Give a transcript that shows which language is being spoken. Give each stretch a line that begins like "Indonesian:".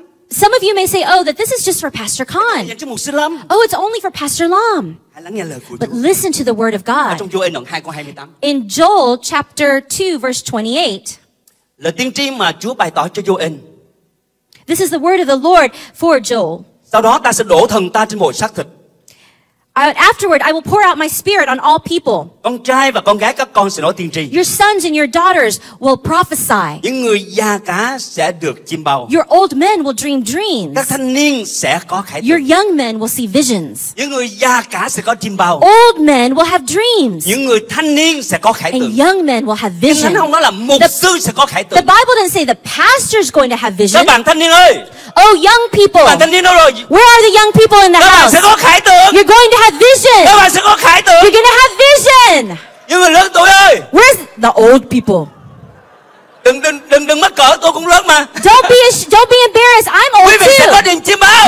English: Some of you may say, oh, that this is just for Pastor Khan. Oh, it's only for Pastor Lam. But listen to the word of God. In Joel chapter 2, verse 28.
Vietnamese: Lời tiên tri mà Chúa bày tỏ cho Joel.
English: This is the word of the Lord for Joel.
Vietnamese: Sau đó ta sẽ đổ thần ta trên mọi xác thịt.
English: Afterward, I will pour out my spirit on all people.
Vietnamese: Con trai và con gái các con sẽ nói tiên tri.
English: Your sons and your daughters will prophesy.
Vietnamese: Những người già cả sẽ được chiêm bao.
English: Your old men will dream dreams.
Vietnamese: Các thanh niên sẽ có khải tượng.
English: Your young men will see visions.
Vietnamese: Những người già cả sẽ có chiêm bao.
English: Old men will have dreams.
Vietnamese: Những người thanh niên sẽ có khải tượng.
English: And young men will have vision.
Vietnamese: Nhưng nó là mục sư sẽ có khải tượng.
English: The Bible didn't say the pastor is going to have vision.
Vietnamese: Các bạn thanh niên ơi.
English: Oh, young people.
Vietnamese: Các bạn thanh niên đâu rồi?
English: Where are the young people in the
Vietnamese: các
English: house?
Vietnamese: Sẽ có khải tượng.
English: You're going to have vision.
Vietnamese: Các bạn sẽ có khải tượng.
English: You're gonna have vision.
Vietnamese: Những người lớn tuổi ơi.
English: Where's the old people?
Vietnamese: Đừng mắc cỡ, tôi cũng lớn mà.
English: Don't be embarrassed. I'm old too.
Vietnamese: Quý vị sẽ có điện chiêm bao.